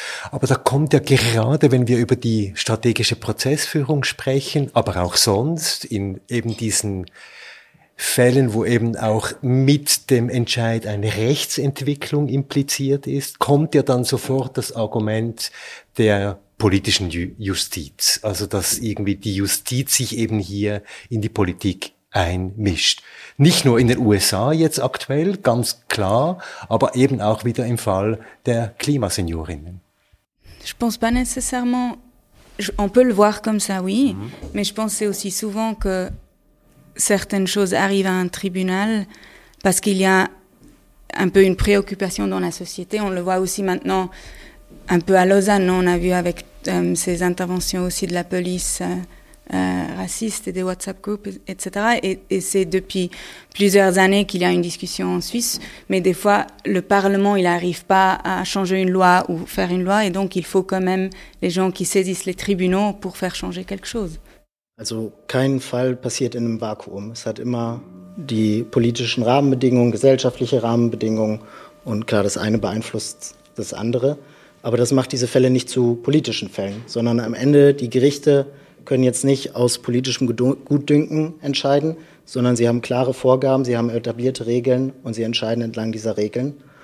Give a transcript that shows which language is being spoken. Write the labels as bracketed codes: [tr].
[de] Aber da kommt ja gerade, wenn wir über die strategische Prozessführung sprechen, aber auch sonst in eben diesen Fällen, wo eben auch mit dem Entscheid eine Rechtsentwicklung impliziert ist, kommt ja dann sofort das Argument der politischen Justiz. Also dass irgendwie die Justiz sich eben hier in die Politik einmischt. Nicht nur in den USA jetzt aktuell, ganz klar, aber eben auch wieder im Fall der Klimaseniorinnen. [fr] Je pense pas nécessairement, on peut le voir comme ça, oui, mais je pense c'est aussi souvent que certaines choses arrivent à un tribunal parce qu'il y a un peu une préoccupation dans la société. On le voit aussi maintenant un peu à Lausanne, on a vu avec ces interventions aussi de la police racistes et des WhatsApp groups, etc. Et c'est depuis plusieurs années qu'il y a une discussion en Suisse, mais des fois, le Parlement, il n'arrive pas à changer une loi ou faire une loi, et donc il faut quand même les gens qui saisissent les tribunaux pour faire changer quelque chose. [de] Also, kein Fall passiert in einem Vakuum. Es hat immer die politischen Rahmenbedingungen, gesellschaftliche Rahmenbedingungen, und klar, das eine beeinflusst das andere, aber das macht diese Fälle nicht zu politischen Fällen, sondern am Ende die Gerichte können jetzt nicht aus politischem Gutdünken entscheiden, sondern sie haben klare Vorgaben, sie haben etablierte Regeln und sie entscheiden entlang dieser Regeln.